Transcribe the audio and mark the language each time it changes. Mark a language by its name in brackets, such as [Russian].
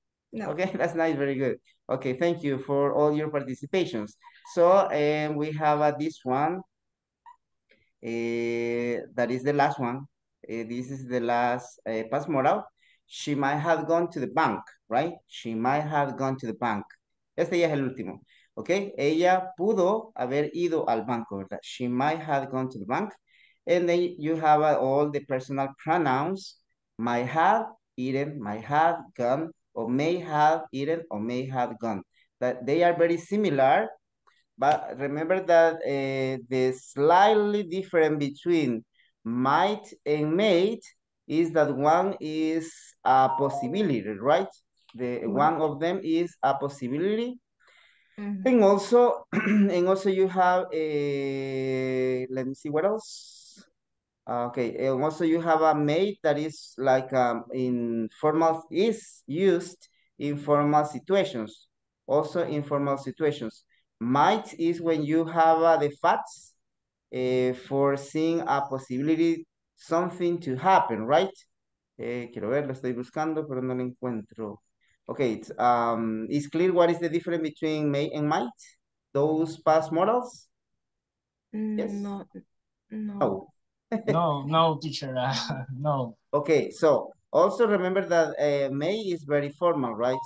[English] No. Okay, that's nice, very good. Okay, thank you for all your participations. So and we have this one. That is the last one. This is the last past modal. She might have gone to the bank, right? She might have gone to the bank. [Spanish] Este ya es el último. Okay, ella pudo haber ido al banco, ¿verdad? [English] She might have gone to the bank. And then you have all the personal pronouns. Might have eaten, might have gone, or may have eaten, or may have gone. But they are very similar. But remember that the slightly different between might and made is that one is a possibility, right? The one of them is a possibility. And also, you have a, let me see what else. Okay, and also you have a made that is like in formal, is used in formal situations. Also in formal situations. Might is when you have the facts for seeing a possibility, something to happen, right? [Spanish] Quiero ver, lo estoy buscando, pero no lo encuentro. [English] Okay, it's clear what is the difference between may and might? Those past modals? Yes? No. No, teacher, no. Okay, so also remember that may is very formal, right?